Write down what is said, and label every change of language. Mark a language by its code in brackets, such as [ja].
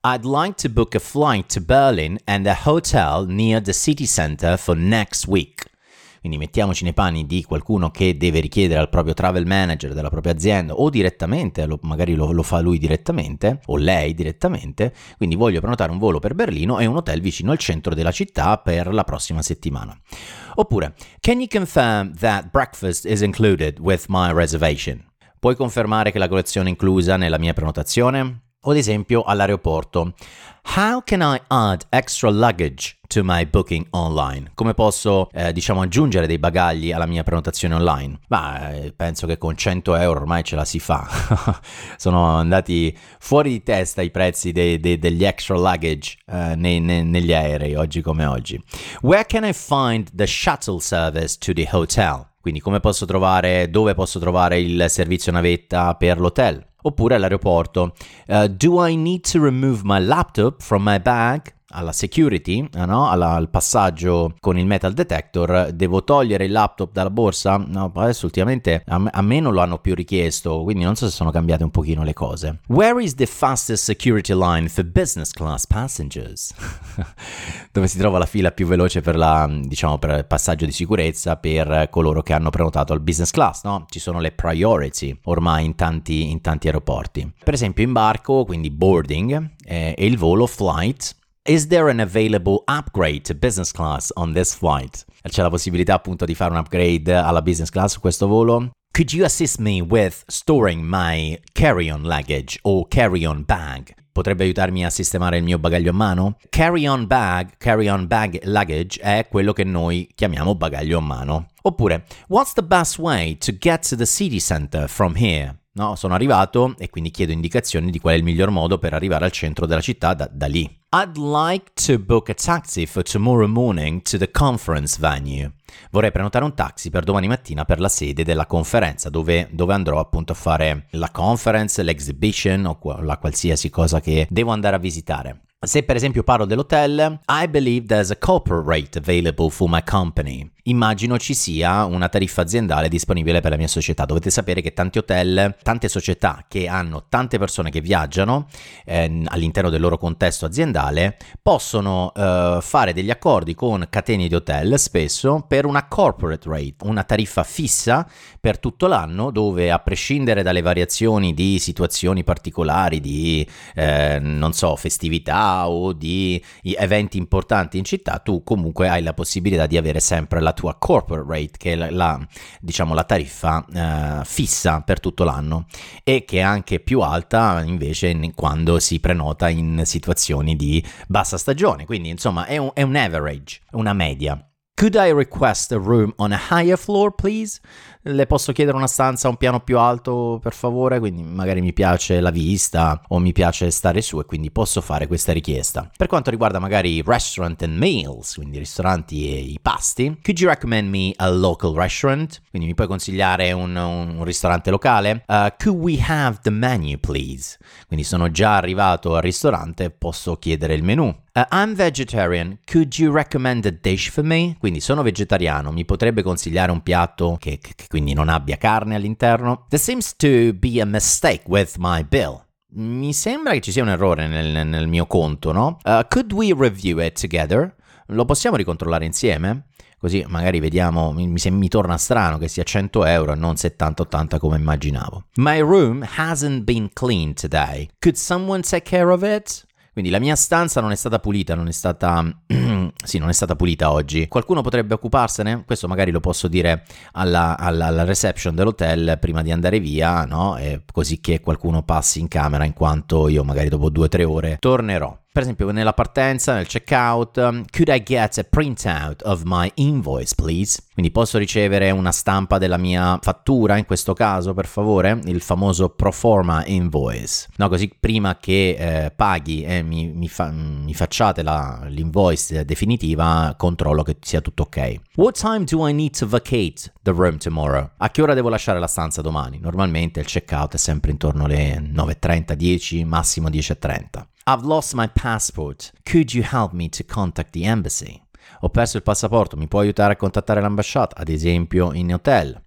[en] I'd like to book a flight to Berlin and a hotel near the city center for next week. [it] Quindi mettiamoci nei panni di qualcuno che deve richiedere al proprio travel manager della propria azienda o direttamente, magari lo fa lui direttamente o lei direttamente. Quindi voglio prenotare un volo per Berlino e un hotel vicino al centro della città per la prossima settimana. [en] Oppure, can you confirm that breakfast is included with my reservation? [it] Puoi confermare che la colazione è inclusa nella mia prenotazione? O ad esempio all'aeroporto. [en] How can I add extra luggage to my booking online? [it] Come posso, aggiungere dei bagagli alla mia prenotazione online? Penso che con 100 euro ormai ce la si fa. Sono andati fuori di testa i prezzi degli extra luggage negli aerei, oggi come oggi. [en] Where can I find the shuttle service to the hotel? [it] Quindi dove posso trovare il servizio navetta per l'hotel? Oppure all'aeroporto. [en] Do I need to remove my laptop from my bag? [it] Alla security, no? Al passaggio con il metal detector, devo togliere il laptop dalla borsa? No, adesso ultimamente a me non lo hanno più richiesto, quindi non so se sono cambiate un pochino le cose. [en] Where is the fastest security line for business class passengers? [it] Dove si trova la fila più veloce per per il passaggio di sicurezza per coloro che hanno prenotato al business class, no? Ci sono le priority ormai in tanti aeroporti. Per esempio imbarco, quindi boarding, e il volo flight. [en] Is there an available upgrade to business class on this flight? [it] C'è la possibilità appunto di fare un upgrade alla business class su questo volo? [en] Could you assist me with storing my carry-on luggage or carry-on bag? [it] Potrebbe aiutarmi a sistemare il mio bagaglio a mano? [en] Carry-on bag luggage [it] è quello che noi chiamiamo bagaglio a mano. [en] Oppure, what's the best way to get to the city center from here? [it] No, sono arrivato e quindi chiedo indicazioni di qual è il miglior modo per arrivare al centro della città da lì. [en] I'd like to book a taxi for tomorrow morning to the conference venue. [it] Vorrei prenotare un taxi per domani mattina per la sede della conferenza, dove andrò appunto a fare la conference, l'exhibition o la qualsiasi cosa che devo andare a visitare. Se per esempio parlo dell'hotel, [en] I believe there's a corporate rate available for my company. [it] immagino ci sia una tariffa aziendale disponibile per la mia società. Dovete sapere che tanti hotel, tante società che hanno tante persone che viaggiano all'interno del loro contesto aziendale, possono fare degli accordi con catene di hotel spesso per una corporate rate, una tariffa fissa per tutto l'anno, dove a prescindere dalle variazioni di situazioni particolari, di non so, festività o di eventi importanti in città, tu comunque hai la possibilità di avere sempre la tua corporate rate, che è la diciamo la tariffa fissa per tutto l'anno, e che è anche più alta invece quando si prenota in situazioni di bassa stagione. Quindi insomma è un average, una media. [en] Could I request a room on a higher floor, please? [it] Le posso chiedere una stanza a un piano più alto, per favore? Quindi magari mi piace la vista o mi piace stare su, e quindi posso fare questa richiesta. Per quanto riguarda magari [en] restaurant and meals, [it] quindi ristoranti e i pasti, [en] could you recommend me a local restaurant? [it] Quindi mi puoi consigliare un ristorante locale? [en] Could we have the menu, please? [it] Quindi sono già arrivato al ristorante, posso chiedere il menu. [en] I'm vegetarian, could you recommend a dish for me? [it] Quindi sono vegetariano, mi potrebbe consigliare un piatto che quindi non abbia carne all'interno? [en] There seems to be a mistake with my bill. [it] Mi sembra che ci sia un errore nel mio conto, no? [en] Could we review it together? [it] Lo possiamo ricontrollare insieme? Così magari vediamo, mi torna strano che sia 100 euro e non 70-80 come immaginavo. [en] My room hasn't been cleaned today. Could someone take care of it? [it] Quindi la mia stanza non è stata pulita, non è stata pulita oggi. Qualcuno potrebbe occuparsene? Questo magari lo posso dire alla reception dell'hotel prima di andare via, no? E così che qualcuno passi in camera, in quanto io magari dopo 2-3 ore tornerò. Per esempio nella partenza, nel checkout, [en] could I get a printout of my invoice, please? [it] Quindi posso ricevere una stampa della mia fattura, in questo caso, per favore? Il famoso pro forma invoice. No, così prima che paghi e mi facciate l'invoice definitiva, controllo che sia tutto ok. [en] What time do I need to vacate the room tomorrow? [it] A che ora devo lasciare la stanza domani? Normalmente il checkout è sempre intorno alle 9.30, 10, massimo 10.30. [en] I've lost my passport. Could you help me to contact the embassy? [it] Ho perso il passaporto, mi puoi aiutare a contattare l'ambasciata, ad esempio in hotel?